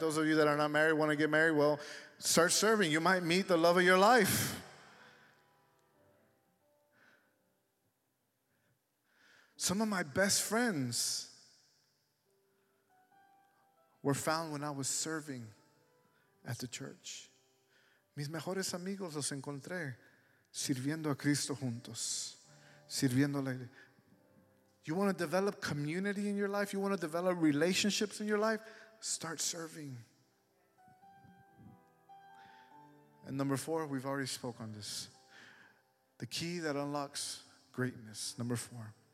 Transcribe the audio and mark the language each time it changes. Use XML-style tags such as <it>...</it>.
<en>Those of you that are not married, want to get married, well, start serving. You might meet the love of your life. Some of my best friends were found when I was serving at the church.</en> <es>Mis mejores amigos los encontré sirviendo a Cristo juntos, sirviendo a la iglesia.</es> <en>You want to develop community in your life? You want to develop relationships in your life? Start serving. And number four, we've already spoken on this. The key that unlocks greatness. Number four.</en>